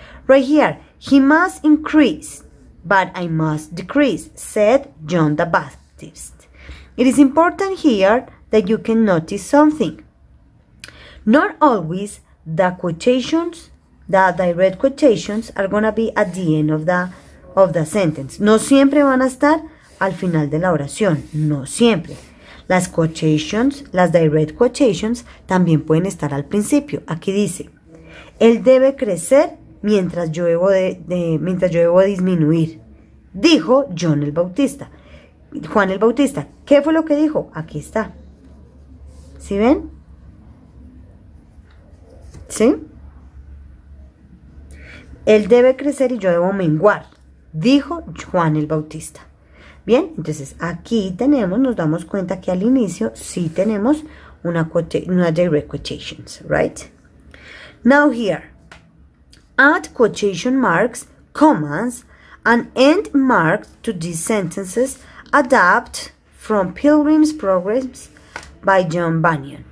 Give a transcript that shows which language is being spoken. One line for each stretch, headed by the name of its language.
English: Right here, he must increase, but I must decrease, said John the Baptist. It is important here that you can notice something. Not always the quotations, the direct quotations, are going to be at the end of the sentence.
Spanish: No siempre van a estar al final de la oración. No siempre. Las quotations, las direct quotations, también pueden estar al principio. Aquí dice, él debe crecer mientras yo debo mientras yo debo disminuir. Dijo John el Bautista. Juan el Bautista. ¿Qué fue lo que dijo? Aquí está. ¿Sí ven? ¿Sí? Él debe crecer y yo debo menguar. Dijo Juan el Bautista. Bien, entonces aquí tenemos, nos damos cuenta que al inicio sí tenemos una direct quotations, right?
English: Now here, add quotation marks, commas, and end marks to these sentences, adapt from Pilgrim's Progress by John Bunyan.